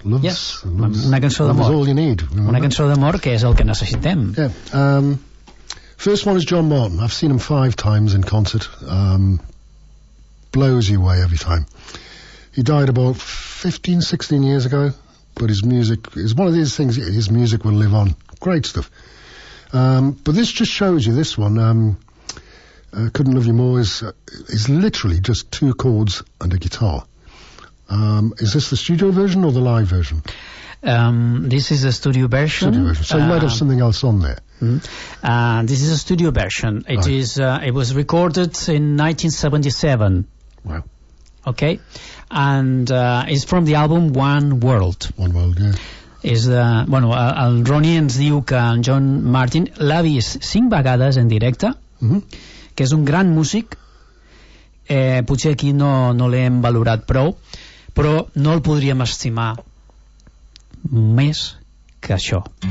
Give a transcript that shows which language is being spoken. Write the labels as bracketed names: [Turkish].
[English] Loves, yes, [Catalan] una cançó d'amor. [English] Love is all you need. [Catalan] Una cançó d'amor, que és el que necessitem. [English] First one is John Martin. I've seen him 5 times in concert. Blows you away every time. He died about 15, 16 years ago, but his music is one of these things, his music will live on. Great stuff. But this just shows you, this one, Couldn't Love You More, is literally just 2 chords and a guitar. Is this the studio version or the live version? This is the studio version. Studio version. So you might have something else on there. This is a studio version. It was recorded in 1977. Wow. Okay. And it's from the album One World. One World, yeah. [Catalan] És de, bueno, el Ronnie ens diu que en John Martin l'ha vist 5 vegades en directe, que és un gran músic. Potser aquí no l'hem valorat prou, però no el podríem estimar més que això.